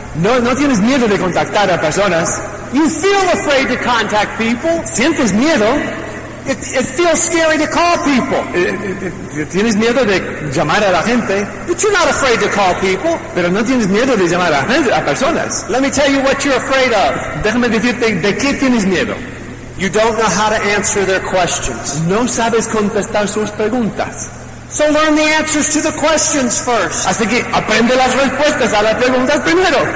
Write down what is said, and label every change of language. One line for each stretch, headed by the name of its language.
Spanish: No tienes miedo de contactar a personas.
English: You feel afraid to contact people.
Spanish: Sientes miedo.
English: It feels scary to call people.
Spanish: Tienes miedo de llamar a la gente.
English: But you're not afraid to call people.
Spanish: Pero no tienes miedo de llamar a personas.
English: Let me tell you what you're afraid of.
Spanish: Déjame decirte de qué tienes miedo.
English: You don't know how to answer their questions.
Spanish: No sabes contestar sus preguntas.
English: So learn the answers to the questions first.
Spanish: Así que aprende las respuestas a las preguntas primero.